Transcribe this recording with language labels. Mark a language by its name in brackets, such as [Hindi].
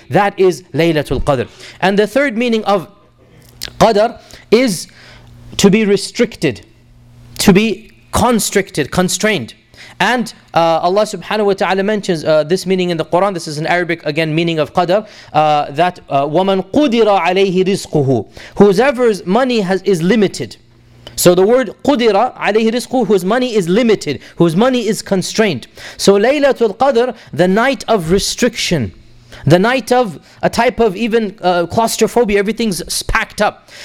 [English] That is Laylatul Qadr. And the third meaning of Qadr is to be restricted, to be constricted, constrained. And Allah subhanahu wa ta'ala mentions this meaning in the Quran. This is an Arabic, again, meaning of Qadr. That [Arabic] وَمَنْ قُدِرَ عَلَيْهِ رِزْقُهُ. [English] Whosever's money is limited. So the word [Arabic] قُدِرَ عَلَيْهِ رِزْقُهُ, [English] whose money is limited, whose money is constrained. So Laylatul Qadr, the night of restriction, the night of a type of even claustrophobia, everything's packed up.